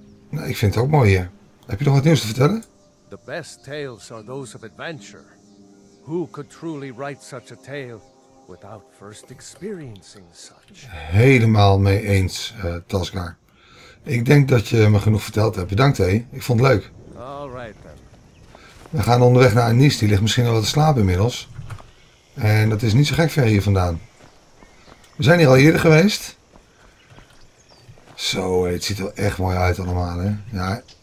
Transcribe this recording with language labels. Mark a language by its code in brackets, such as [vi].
[nl] Nou, ik vind het ook mooi hier. Heb je nog wat nieuws te vertellen? [en] The best tales are those of adventure. Who could truly write such a tale without first experiencing such? [nl] Helemaal mee eens, Tasgar. Ik denk dat je me genoeg verteld hebt. Bedankt, hé. Ik vond het leuk. [en] Alright then. [nl] We gaan onderweg naar Anis. Die ligt misschien al wat te slapen inmiddels. En dat is niet zo gek ver hier vandaan. We zijn hier al eerder geweest. Zo, het ziet er echt mooi uit allemaal, hè. Ja.